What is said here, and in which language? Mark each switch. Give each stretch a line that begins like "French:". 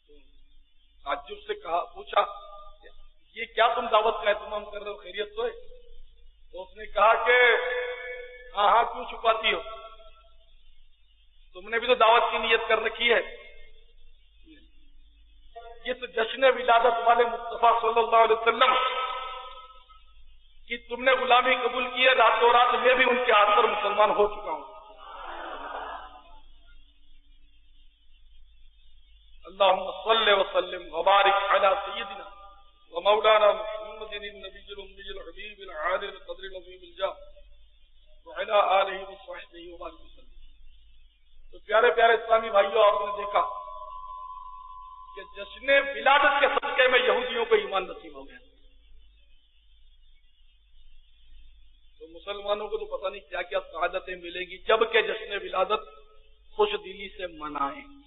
Urdu: تعجب سے کہا، پوچھا یہ کیا تم دعوت کا اہتمام کر رہے ہو، خیریت تو ہے؟ تو اس نے کہا کہ ہاں ہاں کیوں چھپاتی ہو، تم نے بھی تو دعوت کی نیت کر رکھی ہے، یہ تو جشن ولادت والے مصطفیٰ صلی اللہ علیہ وسلم کی تم نے غلامی قبول کی ہے، راتوں رات میں بھی ان کے ہاتھ پر مسلمان ہو چکا ہوں.
Arabic: اللهم صل وسلم وبارك على سيدنا ومولانا محمد النبي الامي الحبيب العالي القدر العظيم الجاه وعلى اله وصحبه وسلم.
Urdu: تو پیارے پیارے اسلامی بھائیوں، آپ نے دیکھا کہ جشن ولادت کے صدقے میں یہودیوں کو ایمان نصیب ہو گیا، تو مسلمانوں کو تو پتہ نہیں کیا کیا سعادتیں ملیں گی جب کہ جشن ولادت خوش دلی سے منائیں.